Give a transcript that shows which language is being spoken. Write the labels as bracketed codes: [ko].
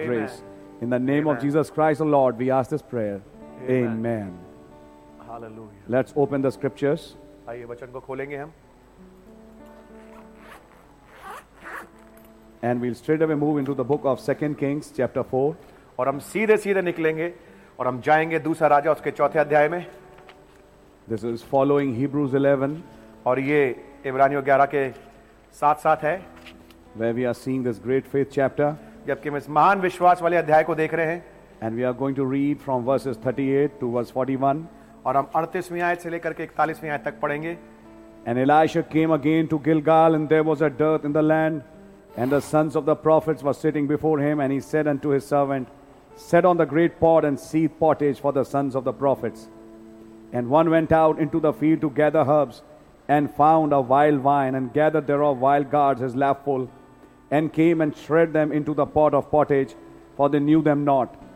[en] Of grace. In the name Amen. Of Jesus Christ, the Lord, we ask this prayer. Amen. Amen. Hallelujah. Let's open the scriptures. [hi] आइए वचन को खोलेंगे हम. [en] And we'll straight away move into the book of 2 Kings chapter 4. [hi] और हम सीधे निकलेंगे और हम जाएंगे दूसरा राजा उसके चौथे अध्याय में. [en] This is following Hebrews 11. [hi] और ये इब्रानियों 11 के साथ साथ है. [en] Where we are seeing this great faith chapter. [hi] जबकि हम इस महान विश्वास वाले अध्याय को देख रहे हैं. [en] And we are going to read from verses 38 to verse 41. [hi] और हम 38वीं आयत से लेकर के 41वीं आयत तक पढ़ेंगे. [en] And Elisha came again to Gilgal, and there was a dearth in the land, and the sons of the prophets were sitting before him, and he said unto his servant, Set on the great pot and seed pottage for the sons of the prophets. And one went out into the field to gather herbs, and found a wild vine, and gathered thereof wild gourds his lap full, and came and shred them into the pot of pottage, for they knew them not.